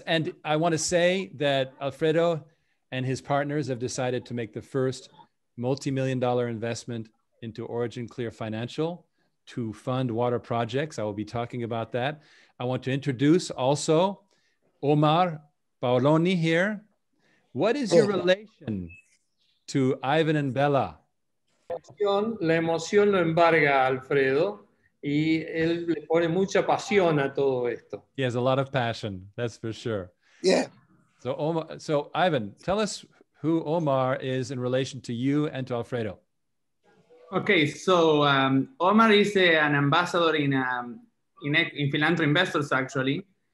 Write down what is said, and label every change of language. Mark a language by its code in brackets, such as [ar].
[en] And I want to say that Alfredo and his partners have decided to make the first multi-million-dollar investment into OriginClear Financial to fund water projects. I will be talking about that. I want to introduce also Omar Paoloni here. What is your relation to Ivan and Bella? [es] La emoción lo embarga a Alfredo y él le pone mucha pasión a todo esto. [en] He has a lot of passion, that's for sure. Yeah. So, so Ivan, tell us who Omar is in relation to you and to Alfredo. Okay, so Omar is an ambassador in Philanthro Investors, actually.